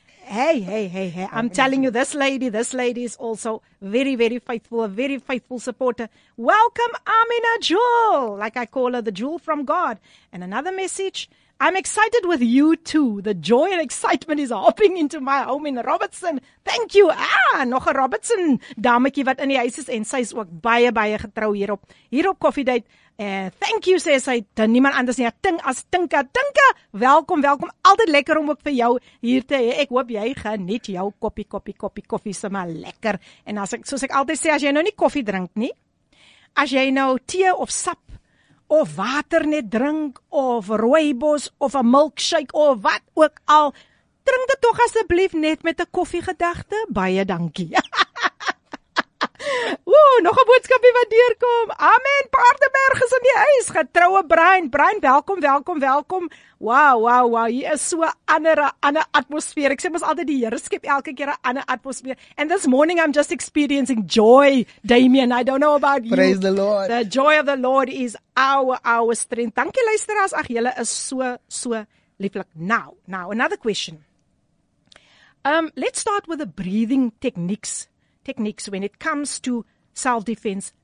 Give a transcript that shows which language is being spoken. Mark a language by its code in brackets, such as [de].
[en] Hey. I'm telling you, this lady is also very, very faithful, a very faithful supporter. Welcome, Amina Jewel. Like I call her, the jewel from God. And another message, I'm excited with you too. The joy and excitement is hopping into my home in Robertson. Thank you. [af] Nog 'n Robertson dametjie wat in die huis is, en sy is ook baie, baie getrou hierop Coffee Date. [en] Thank you, [af] sê sy, dan niemand anders nie, Ting as Tinka. Tinka, welkom, altyd lekker om ook vir jou hier te hê. Ek hoop jy geniet jou koppie koffie, so maar lekker. En soos ek altyd sê, as jy nou nie koffie drink nie, as jy nou tee of sap of water net drink, of rooibos, of 'n milkshake, of wat ook al, drink dit tog asseblief net met 'n koffiegedagte, baie dankie. Nog 'n boodskapie wat deurkom. Amen. Paardeberg is in die huis. Getroue Brein. Brein, welkom. Wow. Hier is so 'n ander atmosfeer. Ek sê mos altyd die Here skep elke keer 'n ander atmosfeer. [en] And this morning I'm just experiencing joy, Damien. I don't know about you. Praise the Lord. The joy of the Lord is our strength. [af] Dankie luisteraars. Ag, julle is so lieflik. [en] Now, another question. Let's start with the breathing techniques when it comes to self-defense.